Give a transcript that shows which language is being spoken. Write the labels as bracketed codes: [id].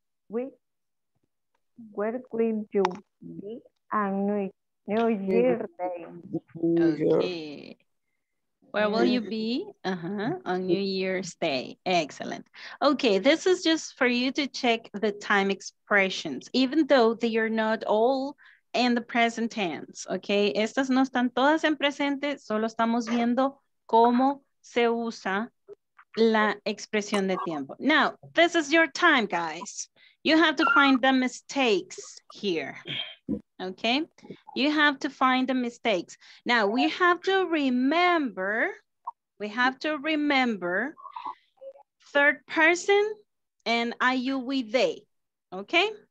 [en] Where will you be on New Year Day? Okay. Where will you be? Uh-huh. On New Year's Day. Excellent. Okay, this is just for you to check the time expressions, even though they are not all in the present tense. [es] Okay, estas no están todas en presente, solo estamos viendo cómo se usa la expresión de tiempo. [en] Now, this is your time, guys. You have to find the mistakes here, okay? You have to find the mistakes. Now, we have to remember third person and are you with they, okay?